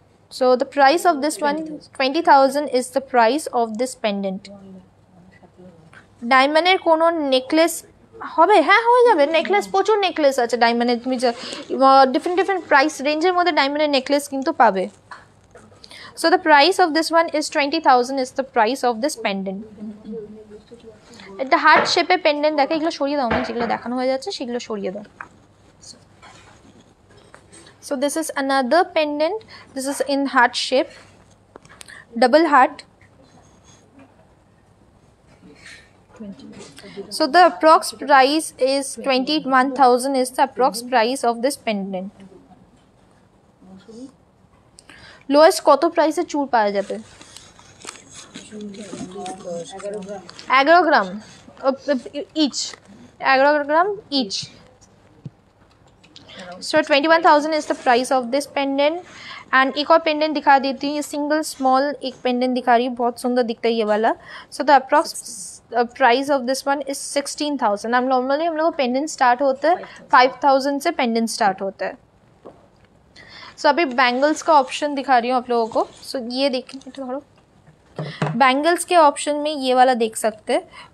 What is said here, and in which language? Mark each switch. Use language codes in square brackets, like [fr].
[en] So the price of this one 20,000 is the price of this pendant. [bn] डायमंडर कोनो necklace হবে? হ্যাঁ হয়ে যাবে, নেকলেস প্রচুর নেকলেস আছে ডায়মন্ডের. তুমি ডিফারেন্ট ডিফারেন্ট প্রাইস রেঞ্জের মধ্যে ডায়মন্ডের নেকলেস কিন্তু পাবে. [en] So the price of this one is 20,000 is the price of this pendant. [bn] একটা হার্ট শেপে পেন্ডেন্ট দেখে, এগুলো সরিয়ে দাও না, যেগুলো দেখানো হয়ে যাচ্ছে সেগুলো সরিয়ে দাও. [en] So this is another pendant, this is in heart shape, double heart. So the approx price is 21,000 is the approx price of this pendant. [bn] Lowest koto price e chul paya jabe? [en] 11 gram each. 11 gram each. So 21,000 is the price of this pendant. [hi] And एक और pendant दिखा देती हूँ, ये single small एक pendant दिखा रही हूँ, बहुत सुंदर दिखता है ये वाला. [en] So the approx price of this one is 16,000. [hi] हम नॉर्मली हम लोग पेंडेंट स्टार्ट होते हैं 5,000 से पेंडेंट स्टार्ट होते हैं. सो अभी बैंगल्स का ऑप्शन दिखा रही हूँ आप लोगों को. सो ये देखिए, थोड़ा बैंगल्स के ऑप्शन में ये वाला देख सकते.